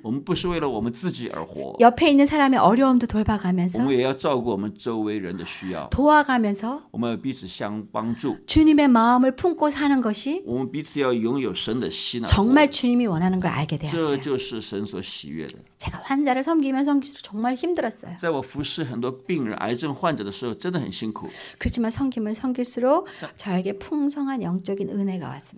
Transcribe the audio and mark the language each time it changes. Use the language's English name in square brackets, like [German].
[Chinese] 我们不是为了我们自己而活， [Korean] 옆에있는사람의어려움도돌봐가면서， [Chinese] 我们也要照顾我们周围人的需要， [Korean] 도와가면서 [Chinese] 我们彼此相帮助， [Korean] 주님의마음을품고사는것이 [Chinese] 我们彼此要拥有神的心， [Korean] 정말주님이원하는걸알게되었어요， [Chinese] 这就是神所喜悦的。 [Korean] 제가환자를섬기면서정말힘들었어요， [Chinese] 在我服侍很多病人癌症患者的时候真的很辛苦， [Korean] 그렇지만섬김을섬길수록저에게풍성한영적인은혜가왔습니다，